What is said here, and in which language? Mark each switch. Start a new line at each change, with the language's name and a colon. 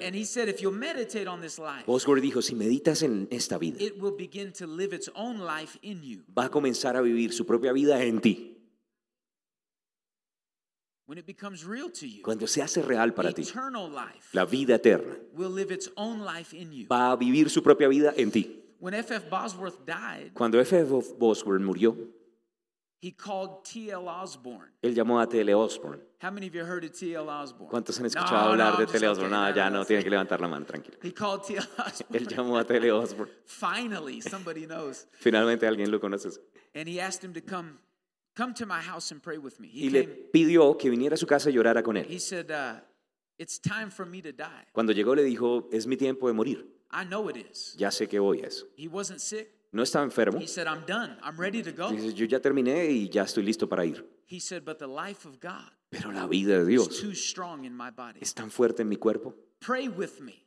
English: And he said, if you'll meditate on this life,
Spanish: Bosworth dijo, si meditas en esta vida,
English: it will begin to live its own life in you.
Spanish: Va a comenzar a vivir su propia vida en ti.
English: When it becomes real to you,
Spanish: cuando se hace real para ti,
English: eternal life,
Spanish: la vida eterna,
English: will live its own life in you.
Spanish: Va a vivir su propia vida en ti.
English: When F.F. Bosworth died,
Spanish: cuando F.F. Bosworth murió,
English: he called T.L. Osborne.
Spanish: Él llamó a T.L. Osborne.
English: How many of you heard of T.L. Osborne?
Spanish: ¿Cuántos han escuchado hablar de T.L. Osborne?
English: Okay,
Spanish: no, ya no, tiene que levantar la mano, tranquilo.
English: He called T.L. Osborne.
Spanish: Él llamó a T.L. Osborne.
English: Finally, somebody knows.
Spanish: Finalmente alguien lo conoce.
English: And he asked him to come. Come to my house and pray with me.
Spanish: Y le pidió que viniera a su casa y llorara con él.
English: He said, it's time for me to die.
Spanish: Cuando llegó le dijo, es mi tiempo de morir.
English: I know it is.
Spanish: Ya sé que voy a eso.
English: He wasn't sick.
Spanish: No estaba enfermo.
English: He said, I'm done. I'm ready to go.
Spanish: Dice, yo ya terminé y ya estoy listo para ir.
English: He said, but the life of God,
Spanish: pero la vida de Dios,
English: is too strong in my body.
Spanish: Es tan fuerte en mi cuerpo.
English: Pray with me.